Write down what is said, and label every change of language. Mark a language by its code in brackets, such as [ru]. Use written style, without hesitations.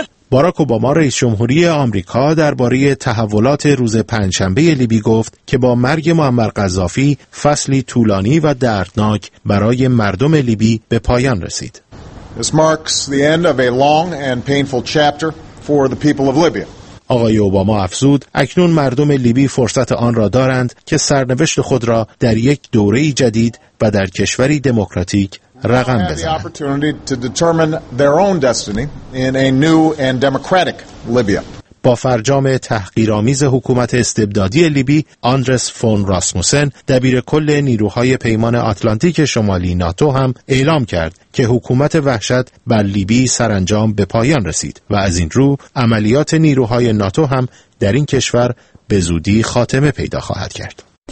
[fa] باراک اوباما رئیس جمهوری آمریکا درباره تحولات روز پنجشنبه لیبی گفت که با مرگ معمر قذافی فصلی طولانی و دردناک برای مردم لیبی به پایان رسید. [en] This marks the end of a long and painful chapter for the people of Libya. [fa] آقای اوباما افزود اکنون مردم لیبی فرصت آن را دارند که سرنوشت خود را در یک دوره جدید و در کشوری دموکراتیک رقم بزنند. با فرجام تحقیرآمیز حکومت استبدادی لیبی، آندرس فون راسموسن، دبیر کل نیروهای پیمان آتلانتیک شمالی ناتو هم اعلام کرد که حکومت وحشت بر لیبی سرانجام به پایان رسید و از این رو عملیات نیروهای ناتو هم در این کشور به زودی خاتمه پیدا خواهد کرد.